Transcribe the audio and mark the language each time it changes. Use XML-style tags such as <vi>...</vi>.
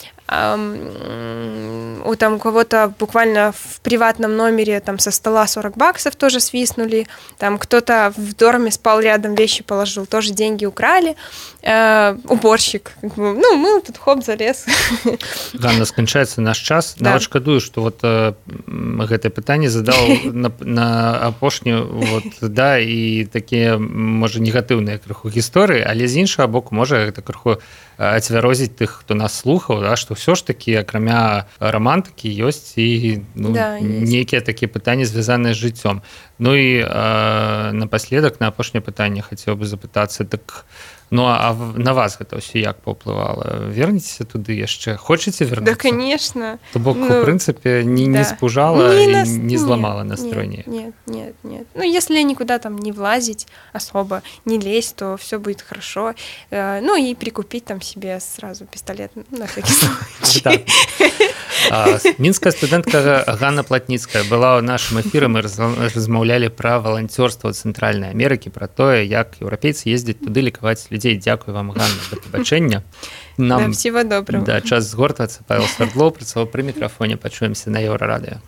<ru>У там кого-то буквально в приватном номере там со стола 40 баксов тоже свистнули, там кто-то в дорме спал рядом, вещи положил, тоже деньги украли, уборщик, ну, мыл тут, хоп, залез. Да, у нас кончается наш час, да.</ru> <be>Нават шкадую, что вот гэтае пытанне задал на апошнюю, вот, да,</be> <ru>и такие, может, негативные</ru> <be>крыху гісторыі, але з іншого боку, может, это крыху ацвярозіць тых, хто нас слухаў, да, што ўсё ж такі, акрамя рамантыкі, ёсць і, ну, да, нейкія такія пытанні, звязаныя з жыццём. Ну і напаследак, на апошняе пытанне хацеў бы запытацца, так, ну, а на вас гэта ўсё як паўплывала? Вернецеся туды яшчэ? Хочаце вернуцца?</be> <ru>Да, конечно.</ru> <be>То бок, ну, у прынцыпе, не, да, не спужала, ну, і не зламала настрой ніяк?</be> <ru>Нет. Ну, если никуда там не влазить особо, не лезть, то все будет хорошо. Ну, и прикупить там себе сразу пистолет, на всякий случай. Да.</ru> <be>Мінская студэнтка Ганна Платніцкая была ў нашым эфіры, мы размаўлялі пра валанцёрства ў Цэнтральнай Амерыкі, пра тое, як еўрапейцы ездзяць туды лікаваць людзей. Дзякую вам, Ганна, да пабачэння.</be> <ru>Нам, да, всего доброго.</ru> <be>Да, час згортвацца. Павел Свердлоў працаваў пры мікрафоне. Пачуемся на Еўрарадыё.</be>